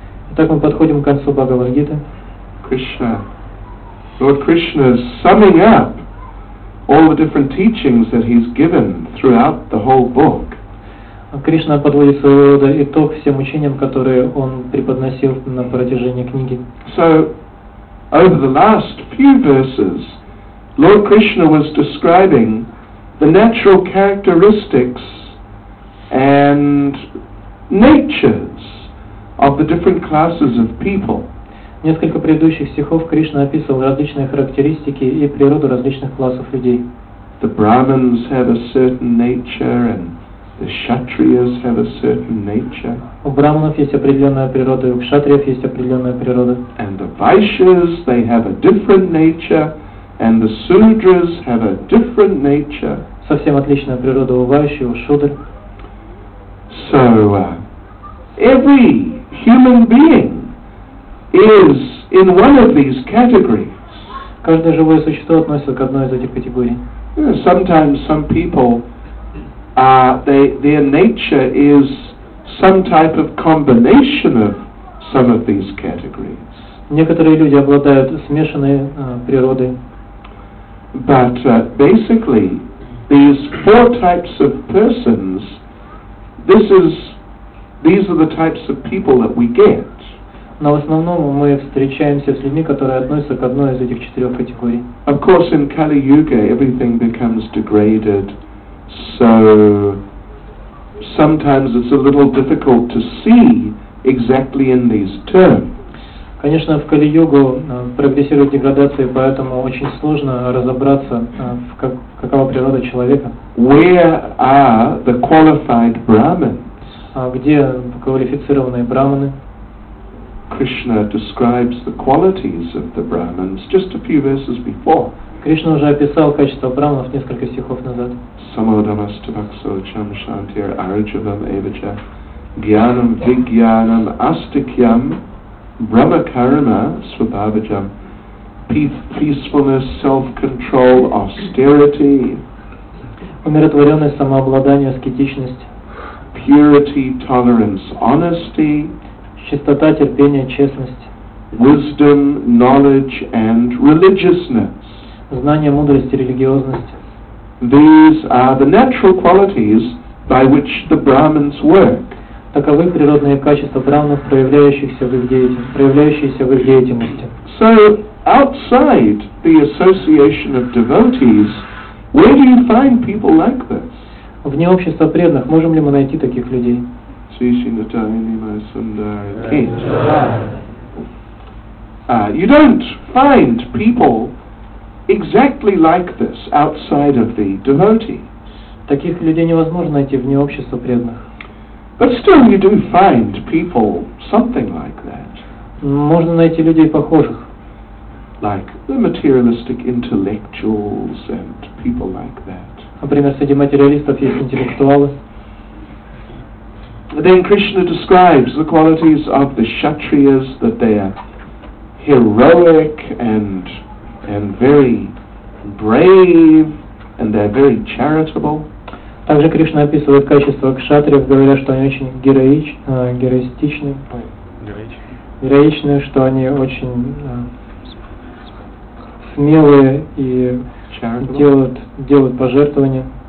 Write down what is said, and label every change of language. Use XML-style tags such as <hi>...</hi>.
<ru>Итак, мы подходим к концу Бхагавад Гиты.</ru> <en>Krishna. Lord Krishna is summing up all the different teachings that he's given throughout the whole book.</en> <ru>Кришна подводит своего рода итог всем учениям, которые он преподносил на протяжении книги.</ru> <en>So, over the last few verses, Lord Krishna was describing the natural characteristics and natures of the different classes of people.</en> <ru>Несколько предыдущих стихов Кришна описывал различные характеристики и природу различных классов людей.</ru> <en>The Brahmins have a certain nature and the Kshatriyas have a certain nature.</en> <ru>У Брахманов есть определенная природа, у Кшатриев есть определенная природа.</ru> <en>And the Vaishyas, they have a different nature and the Sudras have a different nature.</en> <ru>Совсем отличная природа у Вайши, у Шудр.</ru> <en>So, every human being is in one of these categories.</en> <ru>Каждое живое существо относится к одной из этих категорий.</ru> <en>Sometimes some people their nature is some type of combination of some of these categories.</en> <ru>Некоторые люди обладают смешанной природой.</ru> <en>But basically these four types of persons, these are the types of people that we get.</en> <ru>Но в основном мы встречаемся с людьми, которые относятся к одной из этих четырех категорий.</ru> <en>Of course, in Kali Yuga everything becomes degraded, so sometimes it's a little difficult to see exactly in these terms.</en> <ru>Конечно, в Кали-Югу прогрессирует деградация, поэтому очень сложно разобраться, какова природа человека.</ru> <en>Where are the qualified Brahmins?</en> <ru>где квалифицированные брахманы.</ru> <en>Krishna describes the qualities of the Brahmins just a few verses before.</en> <ru>Кришна уже описал качества брахманов несколько стихов назад.</ru> <sa>Samodhanastabhakso cham shantir arjavam evaja gyanam vigyanam astikyam brahmakarma svabhavajam</sa> <en>peacefulness, self-control, austerity,</en> <ru>умиротворенность, самообладание, аскетичность,</ru> <en>purity, tolerance, honesty,</en> <ru>чистота, терпение, честность,</ru> <en>wisdom, knowledge and religiousness,</en> <ru>знание, мудрость и религиозность.</ru> <en>These are the natural qualities by which the Brahmins work.</en> <ru>Таковы природные качества брахманов, проявляющиеся в их деятельности.</ru> <en>So outside the association of devotees, where do you find people like this?</en> <ru>Вне общества преданных можем ли мы найти таких людей?</ru> <en>You don't find people exactly like this outside of the devotee.</en> <ru>Таких людей невозможно найти вне общества преданных.</ru> <en>But still, you do find people something like that.</en> <ru>Можно найти людей похожих.</ru> <en>Like the materialistic intellectuals and people like that.</en> <ru>Например, среди материалистов есть интеллектуалы.</ru> <en>Then Krishna describes the qualities of the kshatriyas, that they are heroic and very brave, and they are very charitable.</en> <ru>Также Кришна описывает качества кшатриев, говоря, что они очень героичны, что они очень смелые и делают пожертвования.</ru>